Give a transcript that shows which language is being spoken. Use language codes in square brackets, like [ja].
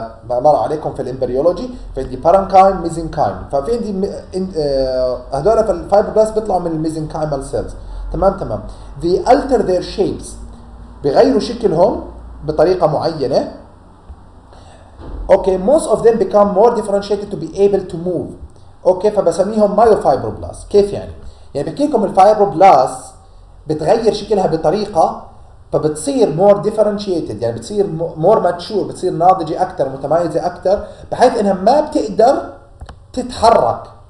[ar] مر عليكم في الامبريولوجي في عندي بارانكايم ميزنكايم، ففي عندي هذول في الفايبروبلاست بيطلعوا من الميزنكايمال سيلز. تمام تمام [en] they alter their shapes، [ar] بغيروا شكلهم بطريقه معينه. [en] Okay most of them become more differentiated to be able to move. [ar] اوكي فبسميهم مايوفايبروبلاست. كيف يعني بحكي لكم الفايبروبلاست بتغير شكلها بطريقه فبتصير مور ديفرنشيتد، يعني بتصير مور ماتشور، بتصير ناضجه اكثر متميزه اكثر، بحيث انها ما بتقدر تتحرك.